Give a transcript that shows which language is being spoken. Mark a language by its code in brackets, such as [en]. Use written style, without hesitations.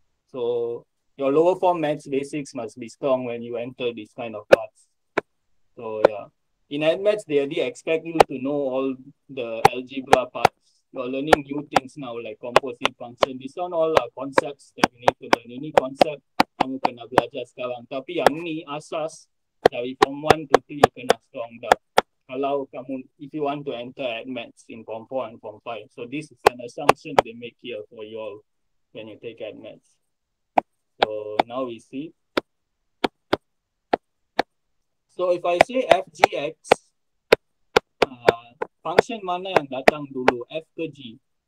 [en] So your lower form maths basics must be strong when you enter this kind of class. So yeah, in maths they already expect you to know all the algebra parts. You're learning new things now like composite function. These are all our concepts that you need to learn. Any concept [ms] kamu kena belajar sekarang. Tapi yang ni asas dari form 1 to 3 [en] you [ms] kena strong dah. Kalau kamu, [en] if you want to enter at maths in form 4 and form 5. So this is an assumption they make here for you all when you take at maths. So now we see. So if I say [ms] fgx, function mana yang datang dulu, f ke g?